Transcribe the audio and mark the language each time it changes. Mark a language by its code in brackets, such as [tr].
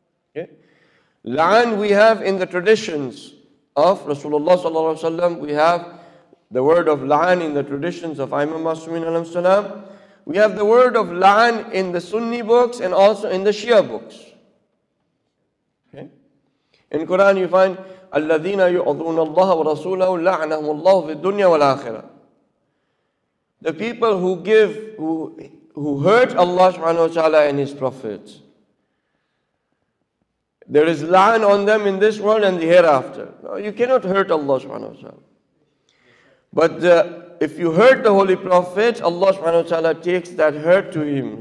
[en] Okay. La'an we have in the traditions of Rasulullah sallallahu alayhi wa sallam. We have the word of la'an in the traditions of Imam Masumin alayhi wa sallam. We have the word of la'an in the Sunni books and also in the Shia books. Okay. In Quran you find [ar] الَّذِينَ يُعْضُونَ اللَّهَ وَرَسُولَهُ لَعْنَهُمُ اللَّهُ فِي الدُّنْيَا وَالْآخِرَةِ. [en] The people who give, who hurt Allah subhanahu wa ta'ala and His Prophet, there is la'an on them in this world and the hereafter. No, you cannot hurt Allah subhanahu wa ta'ala. But if you hurt the Holy Prophet, Allah subhanahu wa ta'ala takes that hurt to Him.